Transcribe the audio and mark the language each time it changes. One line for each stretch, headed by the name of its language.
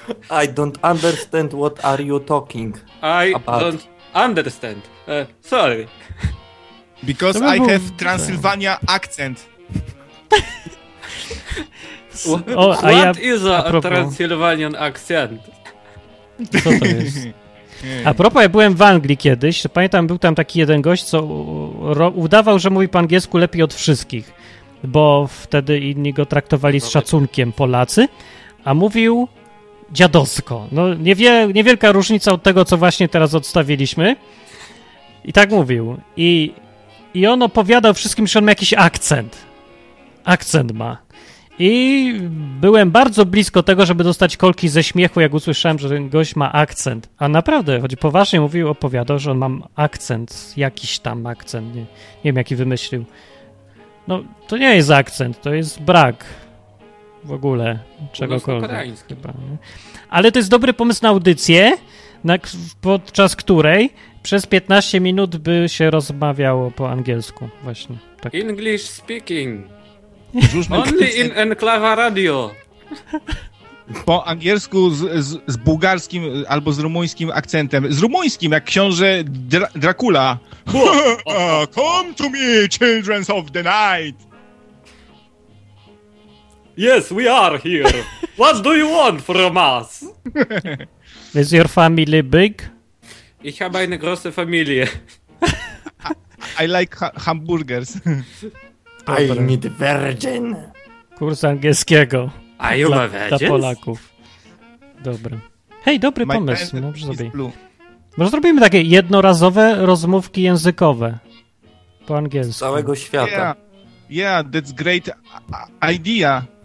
English: I don't understand what are you talking about. I don't understand. Sorry. Because I have Transylvania accent. What is a Transylvanian accent?
Polish: Co to jest? A propos, ja byłem w Anglii kiedyś, to pamiętam, był tam taki jeden gość, co udawał, że mówi po angielsku lepiej od wszystkich, bo wtedy inni go traktowali z szacunkiem Polacy, a mówił dziadosko. No niewielka różnica od tego, co właśnie teraz odstawiliśmy. I tak mówił. I on opowiadał wszystkim, że on ma jakiś akcent. Akcent ma. I byłem bardzo blisko tego, żeby dostać kolki ze śmiechu, jak usłyszałem, że ten gość ma akcent. A naprawdę, choć poważnie mówił, opowiadał, że on ma akcent. Jakiś tam akcent. Nie wiem, jaki wymyślił. No, to nie jest akcent. To jest brak w ogóle czegokolwiek. Chyba, nie? Ale to jest dobry pomysł na audycję, podczas której przez 15 minut by się rozmawiało po angielsku. Właśnie. Tak.
English: English speaking. Only in Enklawa Radio.
Polish: Po angielsku z bułgarskim albo z rumuńskim akcentem. Z rumuńskim, jak książę Dracula.
English: Come to me, children of the night. Yes, we are here. What do you want from us? Is your family big?
German: Ich habe eine große Familie.
English: I like hamburgers. I need a virgin.
Polish: Kurs angielskiego. A you ma virgin? Dla Polaków. Dobra. Hej, dobry my pomysł. Może zrobimy takie jednorazowe rozmówki językowe. Po angielsku. Z całego świata.
English: Yeah, yeah, that's great idea.